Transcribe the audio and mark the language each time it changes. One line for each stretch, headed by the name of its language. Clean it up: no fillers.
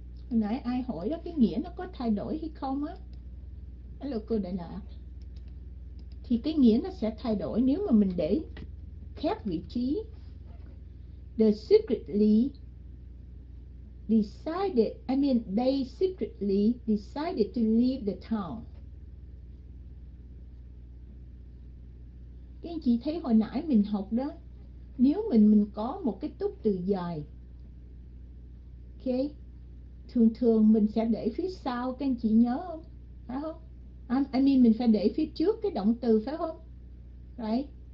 Vietnamese: Hồi nãy ai hỏi đó, cái nghĩa nó có thay đổi hay không á? Alo, cô đại lạ. Thì cái nghĩa nó sẽ thay đổi nếu mà mình để khép vị trí.
English: They secretly decided, they secretly decided to leave the town.
Vietnamese: Các anh chị thấy hồi nãy mình học đó, nếu mình có một cái túc từ dài, ok, thường thường mình sẽ để phía sau, các anh chị nhớ không? Phải không? Mình phải để phía trước cái động từ, phải không? Right.